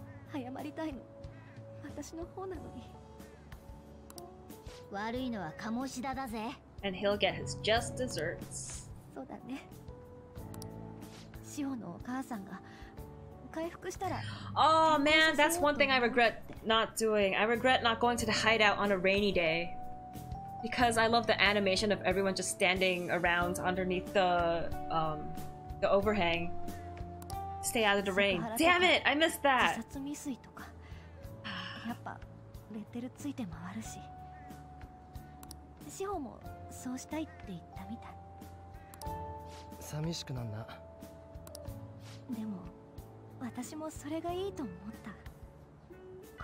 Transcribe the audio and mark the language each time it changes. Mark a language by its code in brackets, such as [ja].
[ja] 謝りたいの私の方なのに。悪いのは鴨志田だぜ。 [en] And he'll get his just desserts. [ja] そうだね。シオのお母さんが回復したら。 [en] Oh man, that's one thing I regret not doing. I regret not going to the hideout on a rainy day. Because I love the animation of everyone just standing around underneath the overhang. Stay out of the rain. Damn it! I missed that! [ja] 自殺未遂とか、やっぱレッテルついて回るし。志保もそうしたいって言ったみたい。寂しくなんな。でも、私もそれがいいと思った。